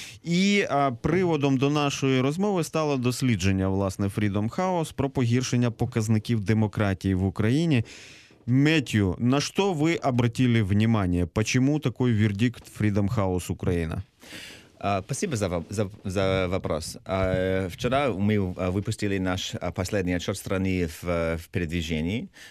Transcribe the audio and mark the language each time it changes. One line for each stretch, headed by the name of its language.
Ukrainian: І приводом до нашої розмови стало дослідження, власне, Freedom House про погіршення показників демократії в Україні.
Russian: Меттью, на що ви обратили внимание? Почему такой вердикт Freedom House Украина? Спасибо за вопрос. Вчера мы выпустили наш последний отчет страны в передвижении.